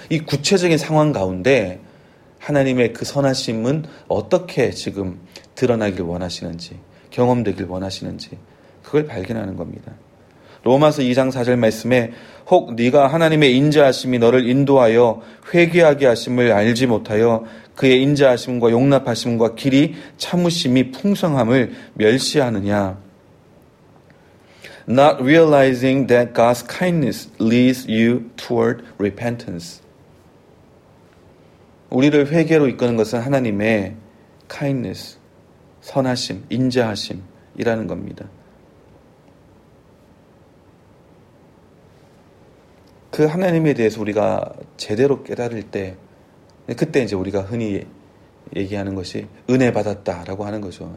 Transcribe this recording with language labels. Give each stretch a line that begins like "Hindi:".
Korean: 이 구체적인 상황 가운데 하나님의 그 선하심은 어떻게 지금 드러나길 원하시는지 경험되길 원하시는지 그걸 발견하는 겁니다. 로마서 2장 4절 말씀에 혹 네가 하나님의 인자하심이 너를 인도하여 회개하게 하심을 알지 못하여 그의 인자하심과 용납하심과 길이 참으심이 풍성함을 멸시하느냐.
English: Not realizing that God's kindness leads you toward repentance.
Korean: 우리를 회개로 이끄는 것은 하나님의 kindness, 선하심, 인자하심이라는 겁니다. 그 하나님에 대해서 우리가 제대로 깨달을 때 그때 이제 우리가 흔히 얘기하는 것이 은혜 받았다라고 하는 거죠.